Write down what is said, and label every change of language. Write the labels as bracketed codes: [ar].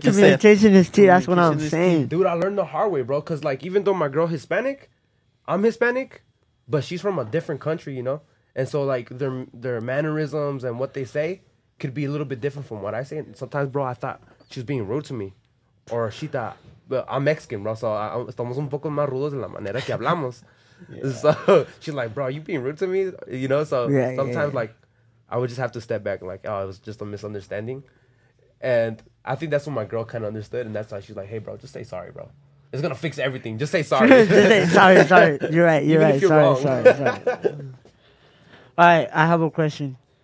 [en] communication said. Is key. That's what I'm saying. Key. Dude, I learned the hard way, bro. Because, like, even though my girl Hispanic, I'm Hispanic, but she's from a different country, you know? And so, like, their mannerisms and what they say could be a little bit different from what I say. And sometimes, bro, I thought she was being rude to me. Or she thought, well, I'm Mexican, bro. [es] So, estamos un poco más rudos en la manera que hablamos. [en] So, she's like, bro, you being rude to me? You know? So, sometimes, I would just have to step back and like, oh, it was just a misunderstanding. And I think that's what my girl kind of understood. And that's why she's like, hey, bro, just say sorry, bro. It's going to fix everything. Just say sorry. Just say sorry, sorry. You're right. You're right. Sorry. All right. I have a question.